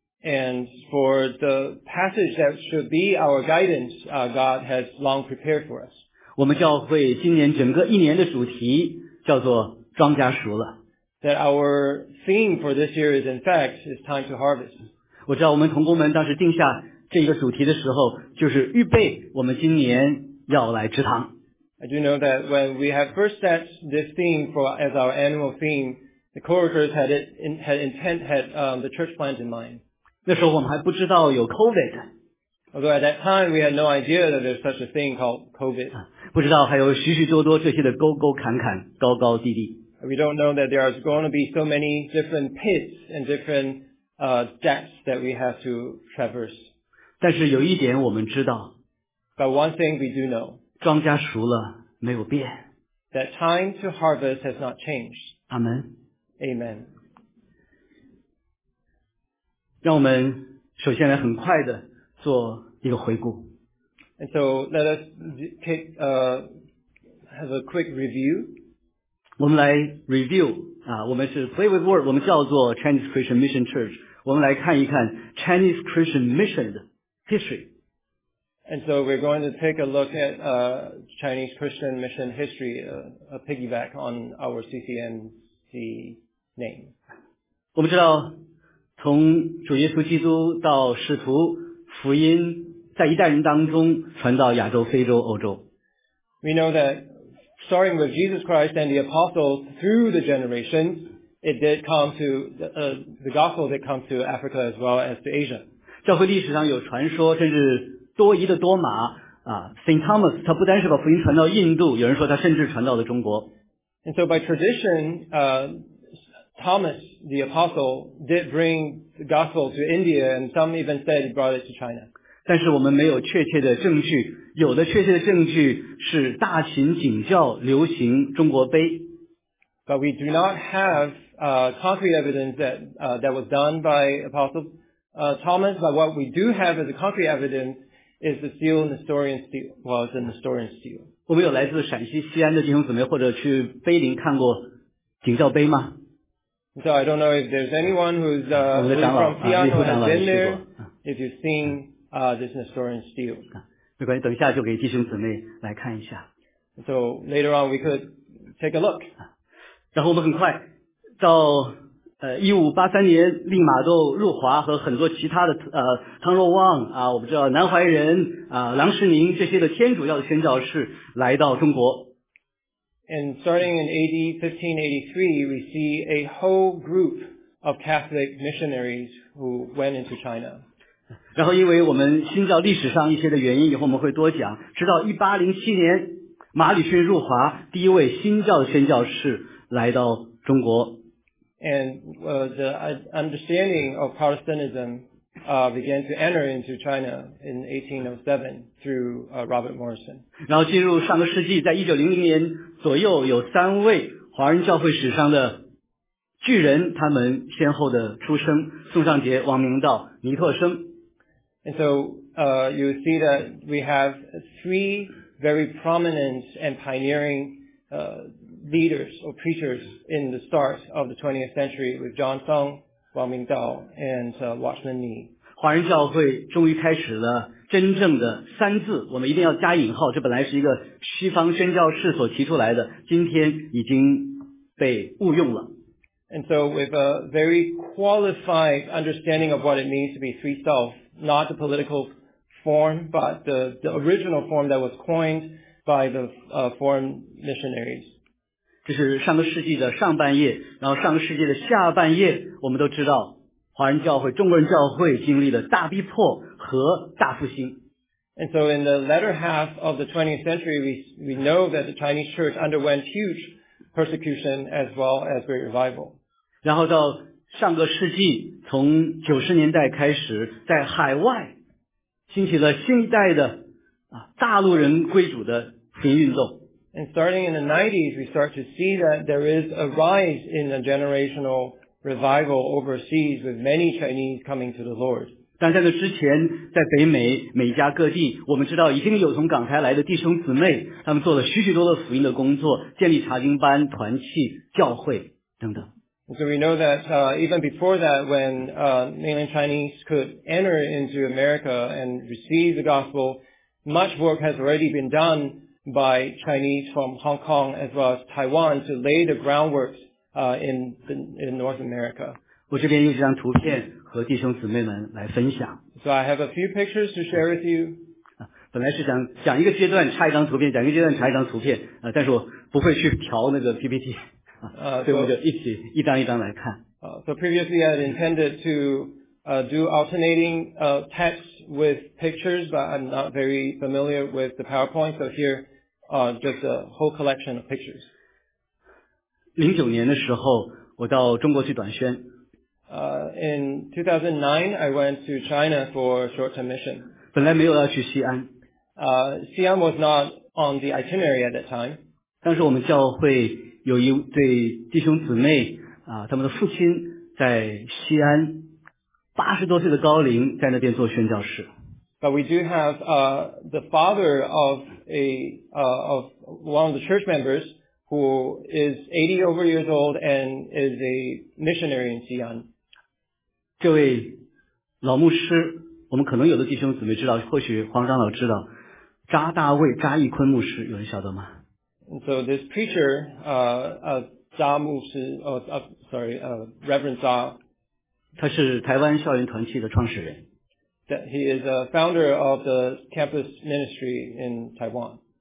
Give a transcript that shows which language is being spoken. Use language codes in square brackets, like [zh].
[en] And for the passage that should be our guidance, God has long prepared for us. [zh] 我们教会今年整个一年的主题叫做庄稼熟了。 [en] That our theme for this year is, in fact, is time to harvest. [zh] 我知道我们同工们当时定下这个主题的时候，就是预备我们今年要来职堂。 [en] I do know that when we have first set this theme for as our annual theme, the co-workers had the church plant in mind. [zh] 那时候我们还不知道有 COVID。 [en] Although at that time we had no idea that there's such a thing called COVID. [zh] 不知道还有许许多多这些的沟沟坎坎、高高低低。 [en] We don't know that there are going to be so many different pits and different depths that we have to traverse. [zh] 但是有一点我们知道， [en] But one thing we do know, [zh] 庄稼熟了没有变。 [en] That time to harvest has not changed. Amen. Amen. [zh] 让我们首先来很快的做一个回顾。 [en] And so let us have a quick review. [zh] 我们来 review, 我们是 [en] play with word, [zh] 我们叫做 Chinese Christian Mission Church, 我们来看一看 Chinese Christian Mission 的history. [en] And so we're going to take a look at Chinese Christian Mission history, a piggyback on our CCMC name. [zh] 我们知道从主耶稣基督到使徒福音在一代人当中传到亚洲、非洲、欧洲。 [en] We know that starting with Jesus Christ and the apostles through the generations, it did come to the gospel did come to Africa as well as to Asia. [zh] 教会历史上有传说，甚至多疑的多马啊 ，Saint Thomas， 他不单是把福音传到印度，有人说他甚至传到了中国。 [en] And so by tradition, Thomas the apostle did bring the gospel to India, and some even said he brought it to China. [zh] 但是我们没有确切的证据，有的确切的证据是大秦景教流行中国碑。 [en] But we do not have concrete evidence that that was done by apostles. Thomas, but what we do have as a concrete evidence is the seal and historian seal. Well, it's an historian seal. [zh] 我们有来自陕西西安的弟兄姊妹，或者去碑林看过景教碑吗 [en] ？So I don't know if there's anyone who's from Xi'an who has been there. If you've seen this historian seal. [zh] 没关系，等一下就给弟兄姊妹来看一下。 [en] So later on we could take a look. [zh] 然后我们很快到。 1583年令马窦入华和很多其他的汤若望啊，我们知道南怀仁啊，郎世宁这些的天主教的宣教士来到中国。 [en] And starting in AD 1583, we see a whole group of Catholic missionaries who went into China. [zh] 然后因为我们新教历史上一些的原因，以后我们会多讲。直到1807年马礼逊入华，第一位新教的宣教士来到中国。 [en] And the understanding of Protestantism began to enter into China in 1807 through Robert Morrison. [zh] 然后进入上个世纪，在1900年左右，有三位华人教会史上的巨人，他们先后的出生：宋尚杰、王明道、倪柝声。 [en] And so you see that we have three very prominent and pioneering leaders or preachers in the start of the 20th century with John Song, Wang Mingdao, and Watchman Nee. [zh] 华人教会终于开始了真正的三字, 我们一定要加引号, 这本来是一个西方宣教士所提出来的, 今天已经被误用了。 [en] And so with a very qualified understanding of what it means to be three self, not the political form, but the original form that was coined by the foreign missionaries. [zh] 这是上个世纪的上半叶, 然后上个世纪的下半叶, 我们都知道, 华人教会, 中国人教会, 经历了大逼迫和大复兴。 [en] And so in the latter half of the 20th century, we know that the Chinese church underwent huge persecution as well as great revival. [zh] 然后到上个世纪, 从90年代开始, 在海外兴起了新一代的大陆人归主的福音运动。 [en] And starting in the 90s, we start to see that there is a rise in a generational revival overseas with many Chinese coming to the Lord. [zh] 但在那之前, 在北美, 美加各地, 我们知道已经有从港台来的弟兄姊妹, 他们做了许许多的福音的工作, 建立查经班, 团契, 教会, 等等。 [en] So we know that even before that, when mainland Chinese could enter into America and receive the gospel, much work has already been done by Chinese from Hong Kong as well as Taiwan to lay the groundwork in North America. [zh] 我这边有几张图片和弟兄姊妹们来分享。 [en] So I have a few pictures to share with you. [zh] 本来是想讲一个阶段插一张图片，讲一个阶段插一张图片， 但是我不会去调那个 PPT， 所以我就一起一张一张来看。 [en] So previously I had intended to do alternating text with pictures, but I'm not very familiar with the PowerPoint, so here just a whole collection of pictures. [zh] 2009年的时候, 我到中国去短宣。 [en] In 2009, I went to China for a short-term mission. [zh] 本来没有要去西安。 [en] 西安 was not on the itinerary at that time. [zh] 当时我们教会有一对弟兄姊妹, 他们的父亲在西安, 80多岁的高龄, 在那边做宣教士。 [en] But we do have the father of one of the church members who is 80 over years old and is a missionary in Xi'an. [zh] 这位老牧师，我们可能有的弟兄姊妹知道，或许黄章老知道，扎大卫扎义坤牧师，有人晓得吗？ [en] So this preacher, Reverend Zha, [zh] 他是台湾校园团契的创始人。 [en] That he is a founder of the campus ministry in Taiwan.